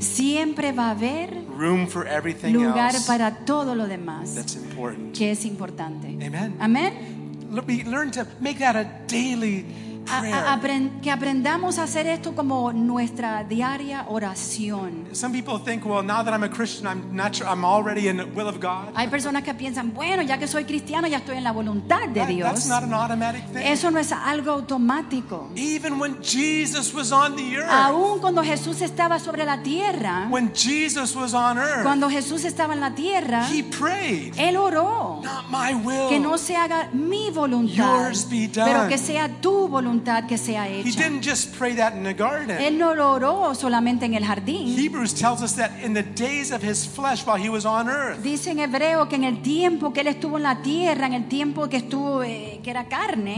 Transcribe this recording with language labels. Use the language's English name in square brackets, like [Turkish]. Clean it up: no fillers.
[Spanish] siempre va a haber [English] room for everything [Spanish] lugar [English] else [Spanish] para todo lo demás [English] that's important. [Spanish] Que es importante. Amen. Amen. [English] Learn to make that a daily prayer. [Spanish] Que aprendamos a hacer esto como nuestra diaria oración. [English] Some people think, well, now that I'm a Christian, I'm not sure, I'm already in the will of God. [Spanish] Hay personas que piensan, bueno, ya que soy cristiano, ya estoy en la voluntad de Dios. [English] That's not an automatic thing. [Spanish] Eso no es algo automático. [English] Even when Jesus was on the earth. [Spanish] Aún cuando Jesús estaba sobre la tierra. [English] When Jesus was on earth. [Spanish] Cuando Jesús estaba en la tierra. [English] He prayed. [Spanish] Él oró. [English] Not my will. [Spanish] Que no se haga mi voluntad. [English] Yours be done. [Spanish] Pero que sea tu voluntad. Que sea hecha. [English] He didn't just pray that in the garden. [Spanish] Él no lo oró solamente en el jardín. [English] Hebrews tells us that in the days of his flesh while he was on earth. [Spanish] Dice en hebreo que en el tiempo que él estuvo en la tierra, en el tiempo que estuvo que era carne.